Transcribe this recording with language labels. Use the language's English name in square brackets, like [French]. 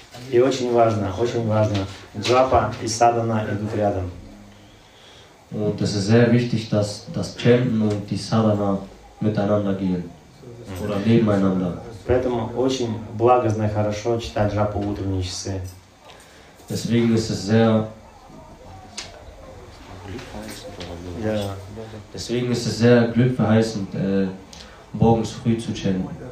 [Russian] И очень важно, Джапа и Садхана идут рядом. [German] Und es ist sehr wichtig, dass das Chanten und die Sadhana miteinander gehen oder nebeneinander. [Russian] Поэтому очень благостно и хорошо читать Джапу в утренние часы. [German] Deswegen ist es sehr Deswegen ist es sehr glückverheißend, morgens früh zu chanten.